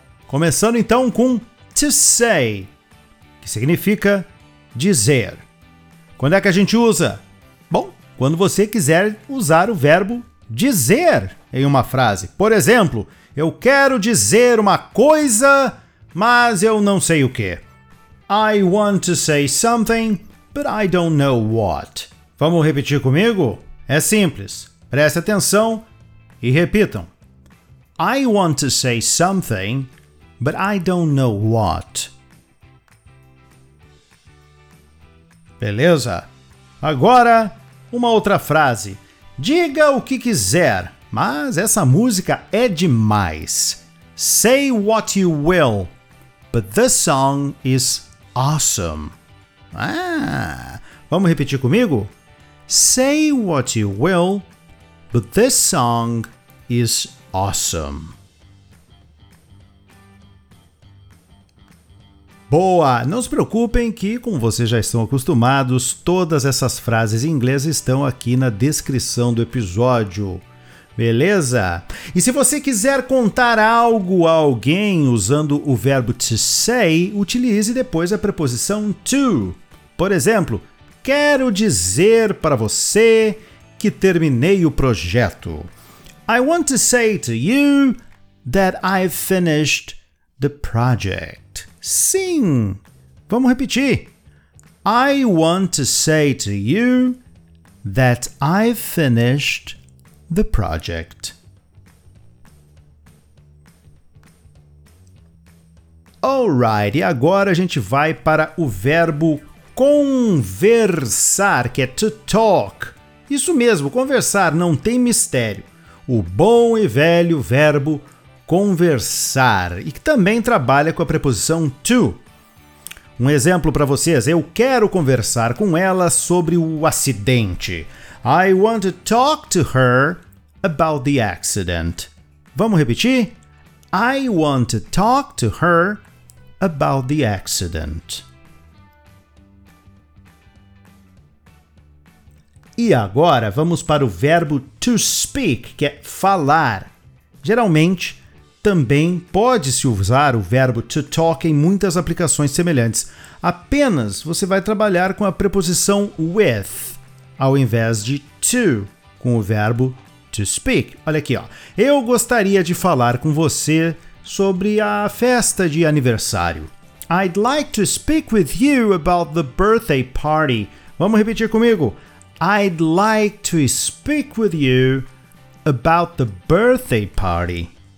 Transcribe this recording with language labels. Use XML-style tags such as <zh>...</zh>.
<pt>Começando então com to say, que significa dizer. Quando é que a gente usa? Bom, quando você quiser usar o verbo dizer em uma frase. Por exemplo, eu quero dizer uma coisa, mas eu não sei o quê.</pt> <en>I want to say something, but I don't know what.</en> <pt>Vamos repetir comigo? É simples. Preste atenção e repitam.</pt> <en>I want to say something, but I don't know what.</en> <pt>Beleza? Agora, uma outra frase. Diga o que quiser, mas essa música é demais.</pt> <en>Say what you will, but this song is awesome.</en> <pt>Ah, vamos repetir comigo?</pt> <en>Say what you will, but this song is awesome.</en> <pt>Boa! Não se preocupem que, como vocês já estão acostumados, todas essas frases em inglês estão aqui na descrição do episódio. Beleza? E se você quiser contar algo a alguém usando o verbo to say, utilize depois a preposição to. Por exemplo, quero dizer para você que terminei o projeto.</pt> <en>I want to say to you that I've finished the project.</en> <pt>Sim! Vamos repetir.</pt> <en>I want to say to you that I've finished the project.</en> <pt>Alright, e agora a gente vai para o verbo conversar, que é to talk. Isso mesmo, conversar, não tem mistério. O bom e velho verbo conversar, e que também trabalha com a preposição to. Um exemplo para vocês, eu quero conversar com ela sobre o acidente.</pt> <en>I want to talk to her about the accident.</en> <pt>Vamos repetir?</pt> <en>I want to talk to her about the accident.</en> <pt>E agora vamos para o verbo to speak, que é falar. Geralmente, também pode-se usar o verbo to talk em muitas aplicações semelhantes. Apenas você vai trabalhar com a preposição with, ao invés de to, com o verbo to speak. Olha aqui, ó. Eu gostaria de falar com você sobre a festa de aniversário.</pt> <en>I'd like to speak with you about the birthday party.</en> <pt>Vamos repetir comigo.</pt> <en>I'd like to speak with you about the birthday party.</en>